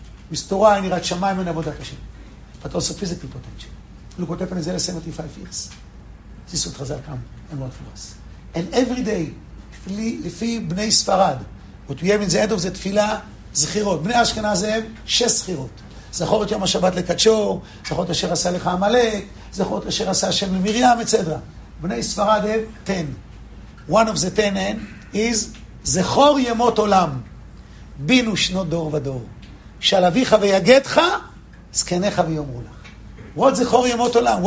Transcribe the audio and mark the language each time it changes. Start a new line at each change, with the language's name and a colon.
English: With Torah and Yirat Shamayim and Avodat Hashem. But also physical potential. Look what happened in the last 75 years. This is what Chazal come and want for us. And every day,
Hebrew: לפי בני ספרד,
English: what we have in the end of the תפילה, זכירות.
Hebrew: בני אשכנז הם 6 זכירות. זכור את יום השבת לקדשו, זכור את אשר עשה לך המלאק, זכור את אשר עשה השם למרים, etc. בני ספרד הם 10.
English: One of the 10 הן is
Hebrew: זכור ימות עולם. בינו שנות דור ודור. שעל אביך ויגדך, זקניך ויאמרו לך.
English: What
Hebrew: זכור ימות עולם?